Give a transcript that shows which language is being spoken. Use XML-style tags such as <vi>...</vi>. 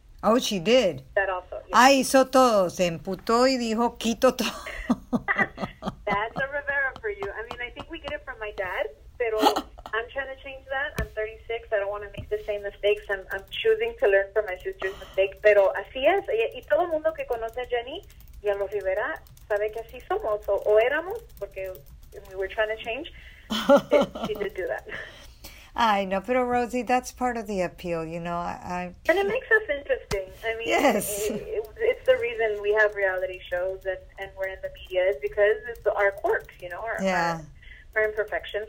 <en>Oh, she did. That also. Yes.</en> <es>Ah, hizo todo. Se emputó y dijo, quito todo.</es> <en>That's a Rivera for you. I mean, I think we get it from my dad,</en> <es>pero</es> <en>I'm trying to change that. I'm 36. I don't want to make the same mistakes. I'm choosing to learn from my sister's mistake.</en> <es>Pero así es. Y todo el mundo que conoce a Jenni y a los Rivera sabe que así somos.</es> <en>So,</en> <es>o éramos, porque</es> <en>we were trying to change. She did do that. I know, but Rosie, that's part of the appeal, you know. I and it makes us interesting. I mean, yes. it's the reason we have reality shows and we're in the media is because it's our quirks, you know, our imperfections.</en>